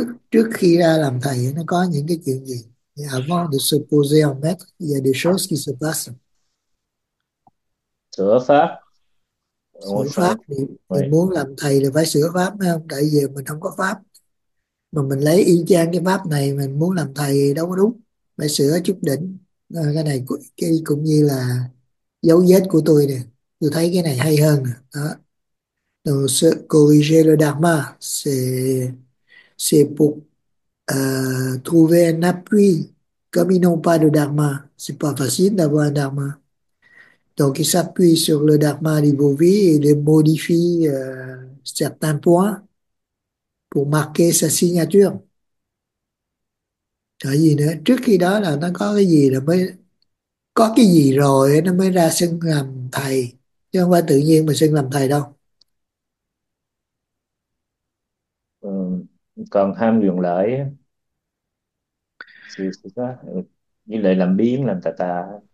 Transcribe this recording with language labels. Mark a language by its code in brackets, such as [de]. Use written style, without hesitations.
[vi] Trước khi ra làm thầy nó có những cái chuyện gì? [fr] Avant de se poser en maître, il y a des choses qui se passent. [vi] sửa pháp Sửa ngôi pháp, sao thì vậy. muốn làm thầy là phải sửa pháp phải không? Tại vì mình không có pháp. Mà mình lấy y chang cái pháp này mình muốn làm thầy đâu có đúng. Phải sửa chút đỉnh. Cái này cũng như là dấu vết của tôi nè, tôi thấy cái này hay hơn nè. Đó. [fr] Sự corriger le dharma c'est pour trouver un appui. Comme ils n'ont pas de dharma, c'est pas facile d'avoir un dharma. Donc ils s'appuient sur le dharma de vos vies et les modifient certains points pour marquer sa signature. [vi] Tại vì nữa, trước khi đó là nó có cái gì là mới có cái gì rồi nó mới ra xưng làm thầy, chứ không phải tự nhiên mà xưng làm thầy đâu. Còn ham quyền lợi thì có như lại làm biếng làm tà tà.